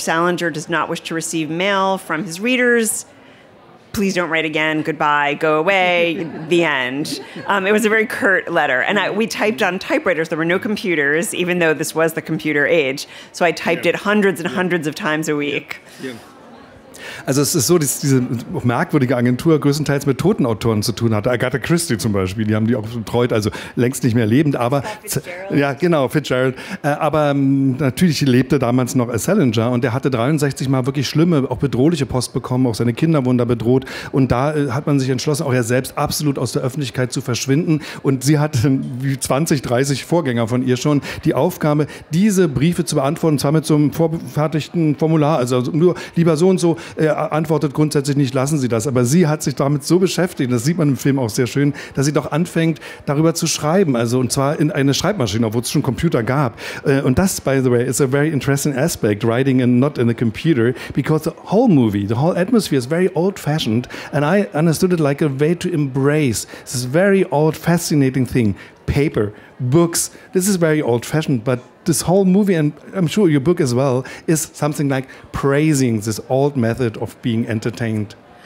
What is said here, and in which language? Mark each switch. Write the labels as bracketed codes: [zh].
[en] Salinger does not wish to receive mail from his readers. Please don't write again. Goodbye. Go away. The end. It was a very curt letter. And we typed on typewriters. There were no computers, even though this was the computer age. So I typed it hundreds and hundreds of times a week. [de] Also es ist so, dass diese merkwürdige Agentur größtenteils mit toten Autoren zu tun hatte. Agatha Christie zum Beispiel, die haben die auch betreut, also längst nicht mehr lebend. Aber Fitzgerald. Ja, genau, Fitzgerald. Aber natürlich lebte damals noch Salinger und der hatte 63 Mal wirklich schlimme, auch bedrohliche Post bekommen, auch seine Kinder wurden da bedroht. Und da hat man sich entschlossen, auch er selbst absolut aus der Öffentlichkeit zu verschwinden. Und sie hatte, wie 20, 30 Vorgänger von ihr schon, die Aufgabe, diese Briefe zu beantworten, und zwar mit so einem vorgefertigten Formular, also nur lieber so und so. Er antwortet grundsätzlich nicht, lassen Sie das. Aber sie hat sich damit so beschäftigt, das sieht man im Film auch sehr schön, dass sie doch anfängt, darüber zu schreiben. Also und zwar in eine Schreibmaschine, obwohl es schon Computer gab. Und das, [en] by the way, is a very interesting aspect, writing and not in the computer, because the whole movie, the whole atmosphere is very old-fashioned and I understood it like a way to embrace this very old, fascinating thing. Paper, books, this is very old-fashioned, but this whole movie, and I'm sure your book as well, is something like praising this old method of being entertained.